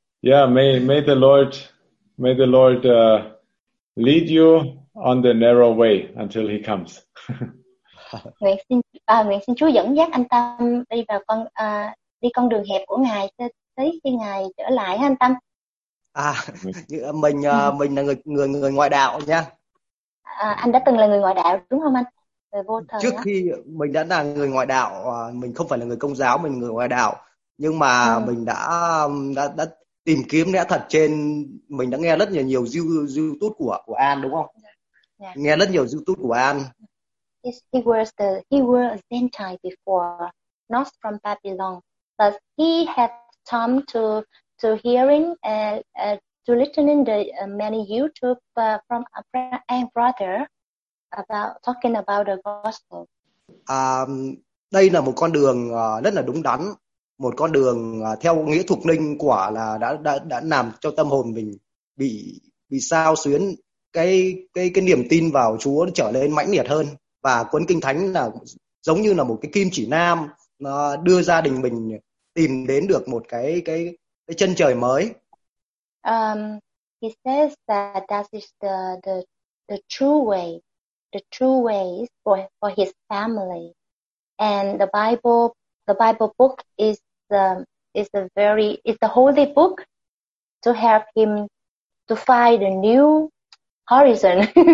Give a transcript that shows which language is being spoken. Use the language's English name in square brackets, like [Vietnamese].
[English] Yeah, may the Lord lead you on the narrow way until he comes. [Vietnamese] Nguyện xin Chúa dẫn dắt anh Tâm đi vào con đường hẹp của Ngài tới khi Ngài trở lại anh Tâm. Mình là người ngoại đạo nha. Anh đã từng là người ngoại đạo đúng không anh? Người vô thần. Trước khi mình đã là người ngoại đạo, mình không phải là người Công giáo, mình là người ngoại đạo. Nhưng mà mình đã tìm kiếm lẽ thật trên, mình đã nghe rất nhiều YouTube của An đúng không? Yeah. Nghe rất nhiều YouTube của An. [English] He was a Gentile before, not from Babylon, but he had time to hearing to listening the many YouTube from a friend and brother about talking about the gospel. [Vietnamese] Đây là một con đường rất là đúng đắn, một con đường theo nghĩa thuộc linh quả là đã làm cho tâm hồn mình bị sao xuyến, cái niềm tin vào Chúa trở nên mãnh liệt hơn. Và cuốn kinh thánh là giống như là một cái kim chỉ nam, nó đưa gia đình mình tìm đến được một cái chân trời mới. [English] He says that is the true way, the true ways for his family, and the Bible book is the holy book to help him to find a new horizon.